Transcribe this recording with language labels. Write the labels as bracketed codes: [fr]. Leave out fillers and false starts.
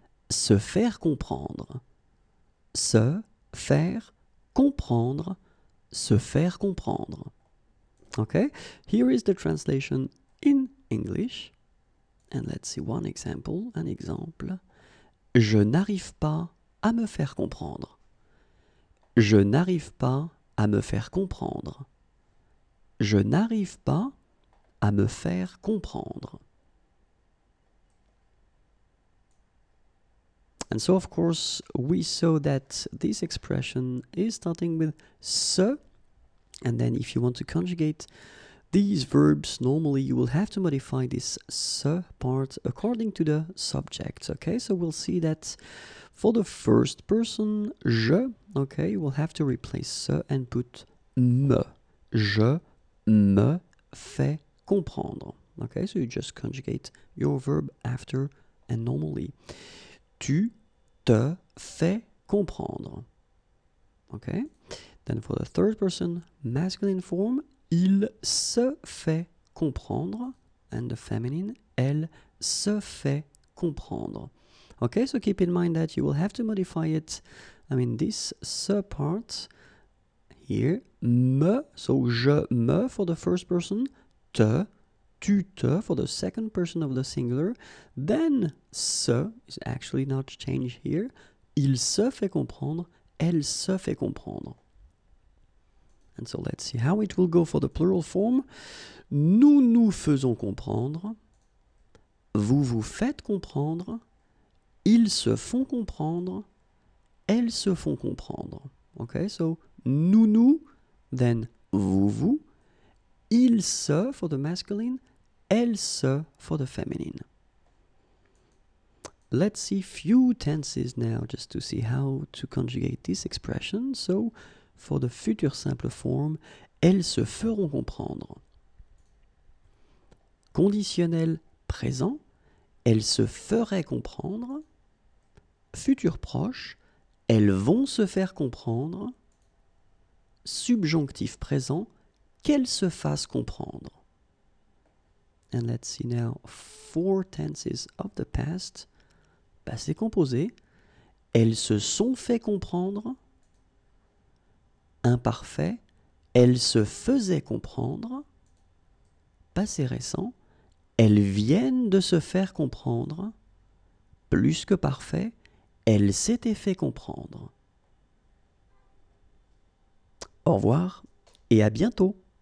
[fr] Se faire comprendre. Se faire comprendre. Se faire comprendre. [en] Okay, here is the translation in English, and let's see one example, an example. [fr] Je n'arrive pas à me faire comprendre. Je n'arrive pas à me faire comprendre. Je n'arrive pas à me faire comprendre. [en] And so, of course, we saw that this expression is starting with se, and then if you want to conjugate these verbs, normally you will have to modify this se part according to the subject, okay? So we'll see that for the first person, je, okay, you will have to replace se and put me. [fr] Je me fais comprendre, okay? [en] So you just conjugate your verb after and normally. [fr] Tu te fais comprendre, okay? [en] Then for the third person, masculine form, [fr] il se fait comprendre, [en] and the feminine, [fr] elle se fait comprendre. [en] Okay, so keep in mind that you will have to modify it. I mean, this se part here, me, so je me for the first person, te, tu te for the second person of the singular, then se is actually not changed here, [fr] il se fait comprendre, elle se fait comprendre. [en] And so let's see how it will go for the plural form. [fr] Nous nous faisons comprendre. Vous vous faites comprendre. Ils se font comprendre. Elles se font comprendre. [en] Okay, so nous nous, then vous vous. Ils se for the masculine. Elles se for the feminine. Let's see few tenses now just to see how to conjugate this expression. So, for the future simple form, [fr] elles se feront comprendre. Conditionnel présent, elles se feraient comprendre. Futur proche, elles vont se faire comprendre. Subjonctif présent, qu'elles se fassent comprendre. [en] And let's see now four tenses of the past. [fr] Passé composé, elles se sont fait comprendre. Imparfait, elle se faisait comprendre. Passé récent, elles viennent de se faire comprendre. Plus que parfait, elle s'était fait comprendre. Au revoir et à bientôt.